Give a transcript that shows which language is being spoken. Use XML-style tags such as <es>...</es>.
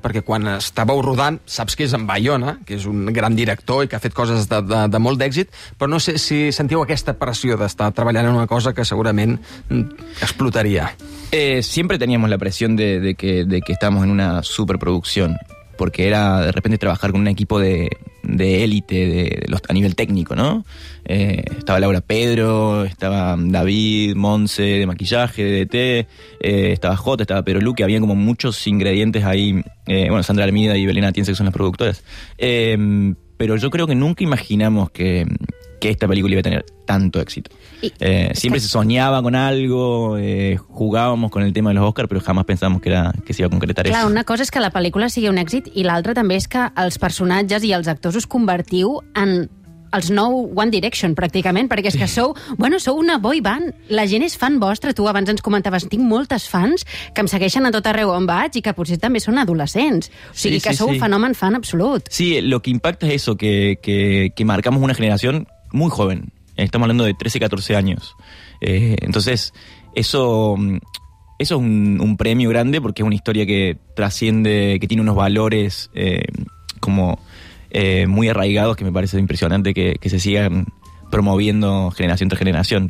<ca>Perquè quan estàveu rodant, saps que és en Bayona, que és un gran director i que ha fet coses de molt d'èxit, però no sé si sentiu aquesta pressió d'estar treballant en una cosa que segurament explotaria.</ca> <es>Siempre teníamos la presión de que estábamos en una superproducción, porque era de repente trabajar con un equipo de élite a nivel técnico, ¿no? Estaba Laura Pedro, estaba David, Monse de maquillaje, de DT, estaba Jota, estaba Pedro Luque, había como muchos ingredientes ahí, bueno, Sandra Armida y Belén Atienza, que son las productoras. Pero yo creo que nunca imaginamos que esta película iba a tener tanto éxito. Siempre se soñaba con algo, jugábamos con el tema de los Oscars, pero jamás pensábamos que se iba a concretar.</es> <ca>Clar, eso. Una cosa és que la pel·lícula sigui un èxit i l'altra també és que els personatges i els actors us convertiu en els nou One Direction, pràcticament, perquè és que sou, bueno, sou una boy band, la gent és fan vostra, tu abans ens comentaves, tinc moltes fans que em segueixen a tot arreu on vaig i que potser també són adolescents, o sigui sí, que sou sí. Un fenomen fan absolut.</ca> <es>Sí, lo que impacta es eso, que marcamos una generación muy joven. Estamos hablando de 13, 14 años. Entonces, eso es un premio grande porque es una historia que trasciende, que tiene unos valores muy arraigados, que me parece impresionante que se sigan promoviendo generación tras generación.</es>